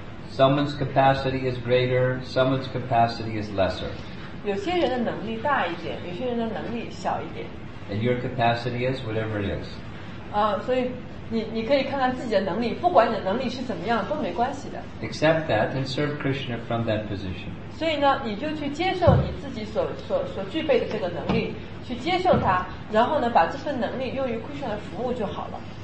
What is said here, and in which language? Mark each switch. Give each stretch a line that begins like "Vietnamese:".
English: Someone's capacity is greater, someone's capacity is lesser.
Chinese: 有些人的能力大一点，有些人的能力小一点。
English: And your capacity is whatever it is.
Chinese: 所以你可以看看自己的能力，不管你的能力是怎么样都没关系的。
English: Accept that and serve Krishna from that position.
Chinese: 所以呢，你就去接受你自己所具备的这个能力，去接受它，然后呢，把这份能力用于 Krishna 的服务就好了。